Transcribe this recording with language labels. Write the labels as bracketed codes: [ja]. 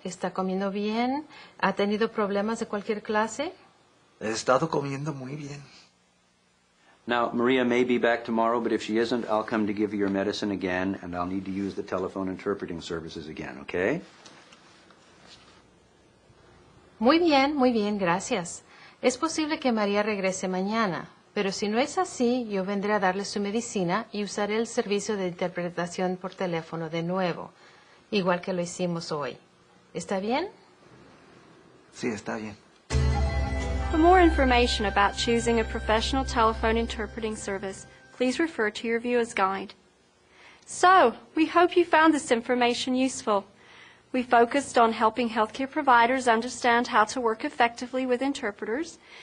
[es] ¿Está comiendo bien? ¿Ha tenido problemas de cualquier clase? He estado comiendo muy bien. [en] Now, Maria may be back tomorrow, but if she isn't, I'll come to give you your medicine again, and I'll need to use the telephone interpreting services again, okay? [es] Muy bien, gracias. Es posible que María regrese mañana, pero si no es así, yo vendré a darle su medicina y usaré el servicio de interpretación por teléfono de nuevo, igual que lo hicimos hoy. ¿Está bien? Sí, está bien. [en] For more information about choosing a professional telephone interpreting service, please refer to your viewer's guide. So, we hope you found this information useful. We focused on helping healthcare providers understand how to work effectively with interpreters.